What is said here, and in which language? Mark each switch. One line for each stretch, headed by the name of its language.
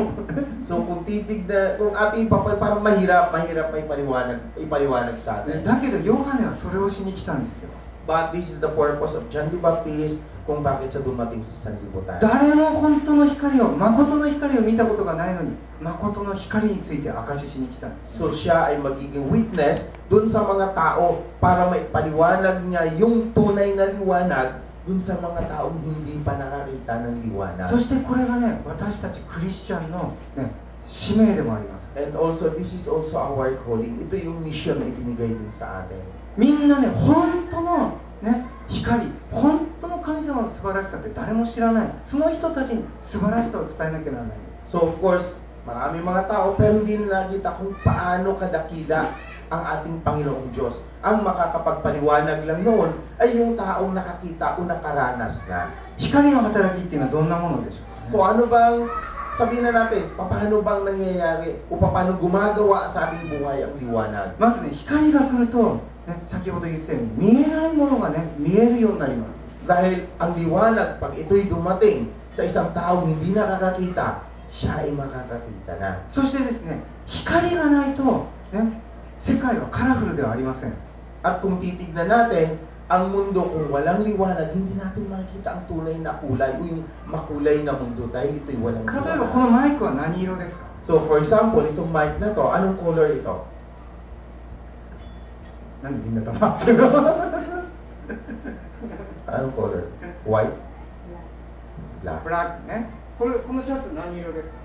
Japanese: 思う。
Filipino: So, kung titignan, kung ating papal, parang mahirap pa ipaliwanag sa atin.
Japanese: だけど、ヨハネはそれをしに来たんですよ。
English: But this is the purpose of John the Baptist,
Filipino: kung bakit siya dumating sa Sanlibutan.
Japanese: 誰も本当の光を、誠の光を見たことがないのに、誠の光について明かししに来たんです
Filipino: So, siya ay magiging witness dun sa mga tao para maipaliwanag niya yung tunay na liwanag dun sa mga taong hindi pa nakakita ng liwanag.
Japanese: そしてこれがね、私たちクリスチャンの、ね、使命でもあります。
English: And also, this is also our calling.
Filipino: Ito yung mission na ibinigay din sa atin.
Japanese: みんなね、本当の、ね、光、本当の神様の素晴らしさって誰も知らない。その人たちに素晴らしさを伝えなきゃならない。
English: So of course,
Filipino: maraming mga tao, pero hindi nila kita kung paano kadakila ang ating Panginoong Diyos. Ang makakapagpaliwanag lang noon ay yung taong nakakita o nakaranas na. Hikari ng hataragi ito na doon na muna de siya. So ano bang, sabihin na natin, paano bang nangyayari o paano gumagawa sa ating buhay ang liwanag?
Japanese: Masa ni, hikari ga kuru to, ね、先ほど言ったように見えないものがね、見えるようになります。
Filipino: Dahil ang liwanag, pag ito'y dumating sa isang taong hindi nakakakita, siya ay makakakita na.
Japanese: そしてですね、光がないと、ね、世界はカラフルではありません。
Filipino: At kung titignan natin, ang mundo kung walang liwanag, hindi natin makikita ang tunay na kulay o yung makulay na mundo dahil ito'y walang liwanag.
Japanese: 例えば、このマイクは何色ですか?
Filipino: So for example, itong mic na to, anong color ito?
Japanese: なんでみんな黙ってるの? あのコール、
English: white? black? black
Japanese: ね。これ、このシャツ何色ですか?